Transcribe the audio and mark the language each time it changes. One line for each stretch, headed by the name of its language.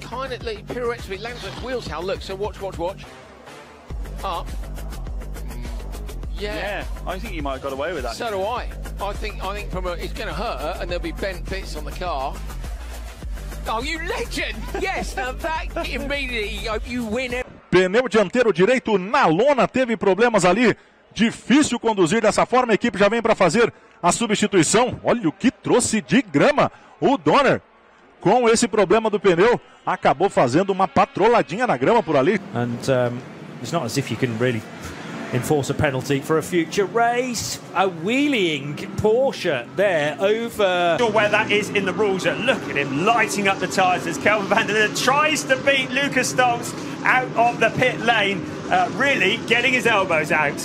English: Kind of pirouettes, he lands at wheels. How look? So watch. Up. Yeah. I think he might have got away with that. So do I. I think from a, it's going to hurt, and there'll be bent bits on the car. Oh, you legend! Yes, now that immediately you win it.
Portuguese: Pneu dianteiro direito na lona, teve problemas ali. Difícil conduzir dessa forma, a equipe já vem para fazer a substituição. Olha o que trouxe de grama o Donner. Com esse problema do pneu, acabou fazendo uma patroladinha na grama por ali.
English: And it's not as if you can really enforce a penalty for a future race. A wheeling Porsche there over... Not sure where that is in the rules. Look at him lighting up the tyres as Kelvin van der Linde tries to beat Lucas Stolz out of the pit lane, really getting his elbows out.